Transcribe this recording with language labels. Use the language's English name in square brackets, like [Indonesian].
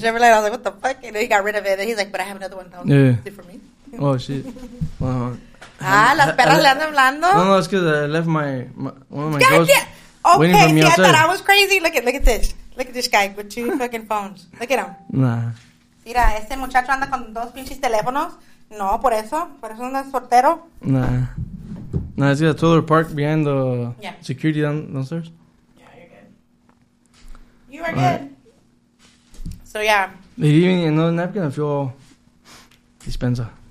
[English] The Chevrolet, I was like, what the fuck? And then he got rid of it, and he's like, but I have another one. Was, yeah. Is it for me? Oh, shit. Wow. [Spanish] Las perras le andan hablando. [English] No, no, it's because I left my one of my girls. Okay, see, outside. I thought I was crazy. Look at this. Look at this guy with two fucking phones. Look at him. Nah. [Spanish] Mira, este muchacho anda con dos pinches teléfonos. No, por eso. Por eso anda soltero. [English] Nah, it's got a toddler park behind the security downstairs. Yeah, you're good. Right. So, yeah. Did you need another napkin? I feel dispensa.